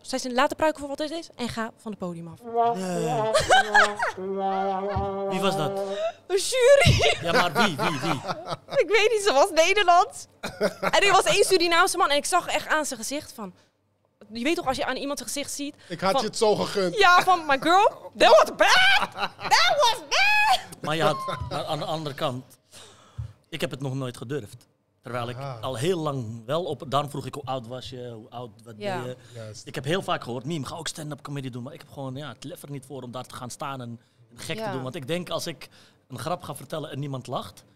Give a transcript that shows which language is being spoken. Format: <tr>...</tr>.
<nl>Zei ze, laat de pruiken voor wat het is en ga van het podium af. Nee. Wie was dat? Een jury. Ja, maar wie? Ik weet niet, ze was Nederland. En er was één Surinaamse man en ik zag echt aan zijn gezicht van... Je weet toch, als je aan iemand zijn gezicht ziet... Ik had van, je het zo gegund. Ja, van,</nl> <en>my girl, that was bad. That was bad.</en> <nl>Maar ja, maar aan de andere kant, ik heb het nog nooit gedurfd. Terwijl ik al heel lang wel op... Daarom vroeg ik, hoe oud was je? Hoe oud wat deed je? Juist. Ik heb heel vaak gehoord, Miem, ga ook stand-up comedy doen. Maar ik heb gewoon het lef er niet voor om daar te gaan staan en gek te doen. Want ik denk, als ik een grap ga vertellen en niemand lacht...</nl>